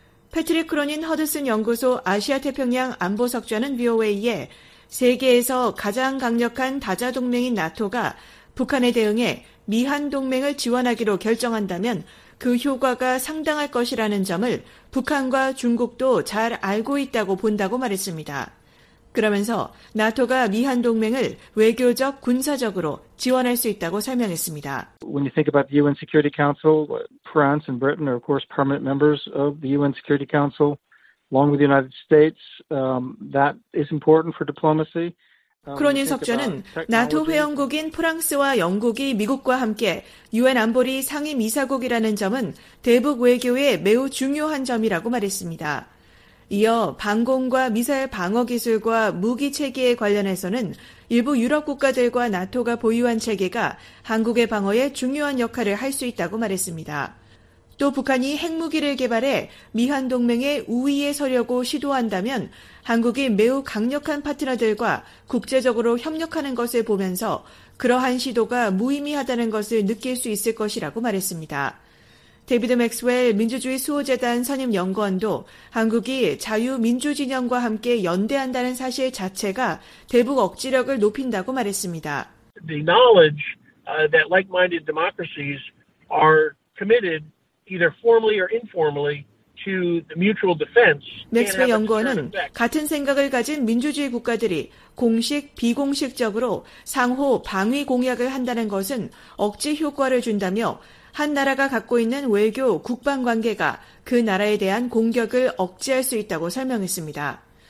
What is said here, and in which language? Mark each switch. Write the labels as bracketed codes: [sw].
[ko] 패트릭 크로닌 허드슨 연구소 아시아태평양 안보석좌는 VOA에 세계에서 가장 강력한 다자동맹인 나토가 북한에 대응해 미한동맹을 지원하기로 결정한다면 그 효과가 상당할 것이라는 점을 북한과 중국도 잘 알고 있다고 본다고 말했습니다. 그러면서 나토가 미한동맹을 외교적, 군사적으로 지원할 수 있다고 설명했습니다. [en] When you think about the UN Security Council, France and Britain are of course permanent members of the UN Security Council. Along with the United States, that is important for diplomacy. [ko] 크로닌 석좌는 나토 회원국인 프랑스와 영국이 미국과 함께 유엔 안보리 상임이사국이라는 점은 대북 외교에 매우 중요한 점이라고 말했습니다. 이어 방공과 미사일 방어 기술과 무기 체계에 관련해서는 일부 유럽 국가들과 나토가 보유한 체계가 한국의 방어에 중요한 역할을 할 수 있다고 말했습니다. 또 북한이 핵무기를 개발해 미한동맹의 우위에 서려고 시도한다면 한국이 매우 강력한 파트너들과 국제적으로 협력하는 것을 보면서 그러한 시도가 무의미하다는 것을 느낄 수 있을 것이라고 말했습니다. 데이비드 맥스웰 민주주의 수호재단 선임연구원도 한국이 자유민주진영과 함께 연대한다는 사실 자체가 대북 억지력을 높인다고 말했습니다. [en] The knowledge that like-minded democracies are committed either formally or informally to the mutual defense. [ko] 맥스웰 연구원은 같은 생각을 가진 민주주의 국가들이 공식 비공식적으로 상호 방위 공약을 한다는 것은 억지 효과를 준다며 한 나라가 갖고 있는 외교 국방 관계가 그 나라에 대한 공격을 억제할 수 있다고 설명했습니다.